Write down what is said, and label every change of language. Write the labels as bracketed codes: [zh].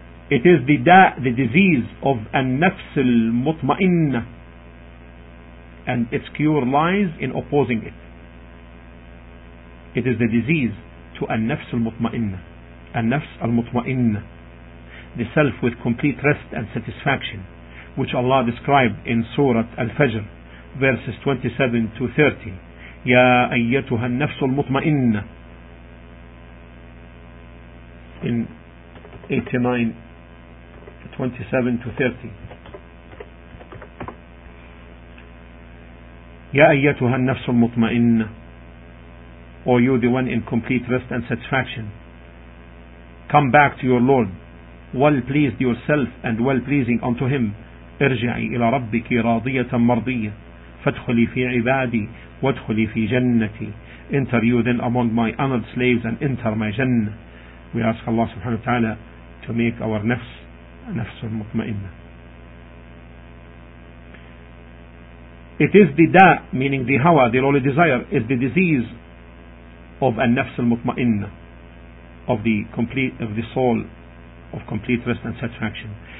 [en] It is the da', the disease of al-nafs al-mutma'inna, and its cure lies in opposing it. It is the disease to al-nafs al-mutma'inna, al-nafs al-mutma'inna, the self with complete rest and satisfaction, which Allah described in Surah Al-Fajr, verses 27 to 30. [ar] يا أيتها النفس المطمئنة. In 89:27-30. يا أيتها النفس المطمئنة. [en] Or you the one in complete rest and satisfaction. Come back to your Lord, well pleased yourself and well pleasing unto Him. [ar] ارجعي إلى ربك راضية مرضية. فادخلي في عبادي وادخلي في جنتي. [en] Enter you then among my honored slaves and enter my Jannah. We ask Allah subhanahu wa ta'ala to make our nafs nafs al-mutma'inna. It is the da, meaning the hawa, the lowly desire, is the disease of an nafs al-mutma'inna, of the complete, of the soul of complete rest and satisfaction.